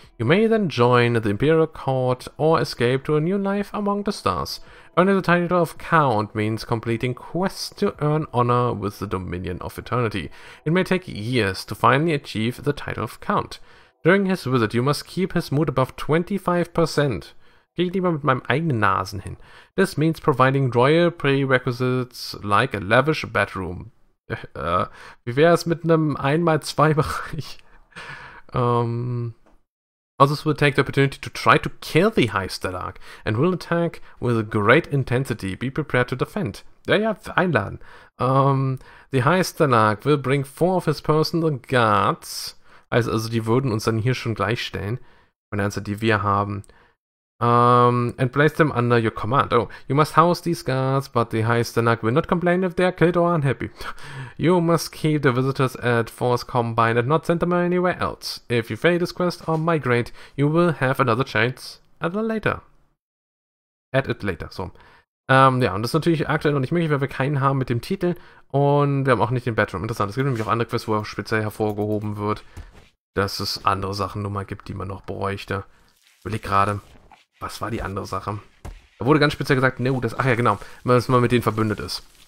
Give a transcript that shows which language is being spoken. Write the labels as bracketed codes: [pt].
[en] You may then join the Imperial Court or escape to a new life among the stars. Earning the title of Count means completing quests to earn honor with the Dominion of Eternity. It may take years to finally achieve the title of Count. During his visit, you must keep his mood above 25%. [de] Gehe ich lieber mit meinem eigenen Nasen hin. [en] This means providing royal prerequisites like a lavish bedroom. [de] Wie wäre es mit einem 1x2-Bereich? [en] Others will take the opportunity to try to kill the High Stalag and will attack with great intensity. Be prepared to defend. [de] Ja, ja, einladen. [en] The High Stalag will bring 4 of his personal guards. [de] Also, die würden uns dann hier schon gleichstellen. Von der Anzahl, die wir haben. [en] And place them under your command. Oh, you must house these guards, but the High Stalag will not complain if they are killed or unhappy. You must keep the visitors at Force Combined and not send them anywhere else. If you fail this quest or migrate, you will have another chance at it later. At it later, so. [de] Ja, und das ist natürlich aktuell noch nicht möglich, weil wir keinen haben mit dem Titel und wir haben auch nicht den Bedroom. Interessant, es gibt nämlich auch andere Quests, wo auch speziell hervorgehoben wird, dass es andere Sachen nur mal gibt, die man noch bräuchte. Will ich gerade. Was war die andere Sache? Da wurde ganz speziell gesagt, wenn man mit denen verbündet ist.